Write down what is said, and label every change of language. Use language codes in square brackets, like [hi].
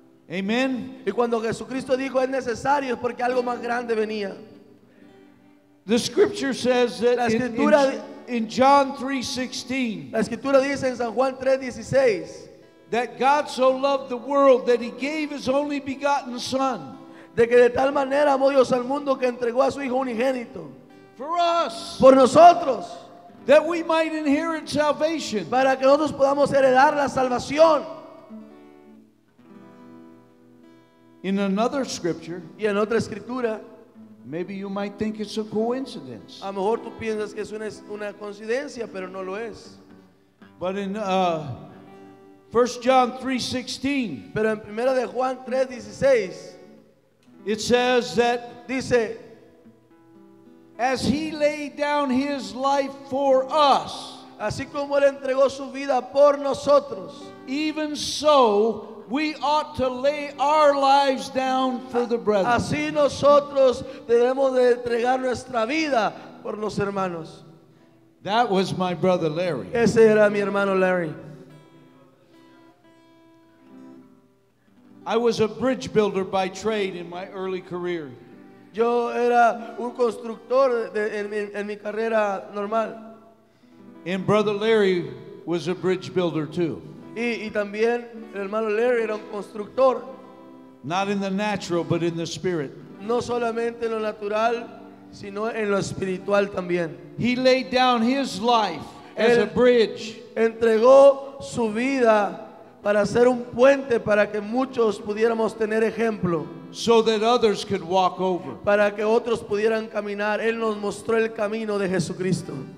[es] Amen. Y cuando Jesucristo dijo es necesario, es porque algo más grande venía. [en] The scripture says that [es] la escritura, [en] in John 3:16. [es] La escritura dice en San Juan 3:16 [en] that God so loved the world that he gave his only begotten son. [es] De que de tal manera amó Dios al mundo que entregó a su Hijo unigénito. [en] For us, [es] por nosotros. [en] That we might inherit salvation. [es] Para que nosotros podamos heredar la salvación. [en] In another scripture, [es] y en otra escritura. [en] Maybe you might think it's a coincidence. [es] A lo mejor tú piensas que es una coincidencia, pero no lo es. [en] But in 1 John 3:16. [es] Pero en 1 Juan 3:16. [en] It says that [es] dice, [en] as he laid down his life for us, [es] así como él entregó su vida por nosotros, [en] even so we ought to lay our lives down for the brethren. [es] Así nosotros debemos de entregar nuestra vida por los hermanos. [en] That was my brother Larry. [es] Ese era mi hermano Larry. [en] I was a bridge builder by trade in my early career. [es] Yo era un constructor en mi carrera normal. [en] And brother Larry was a bridge builder too. [es] Y también el hermano Larry era un constructor. [en] Not in the natural, but in the spirit. [es] No solamente en lo natural, sino en lo espiritual también. [en] He laid down his life as a bridge. [es] Entregó su vida para hacer un puente para que muchos pudiéramos tener ejemplo. [en] So that others could walk over. [es] Para que otros pudieran caminar. Él nos mostró el camino de Jesucristo.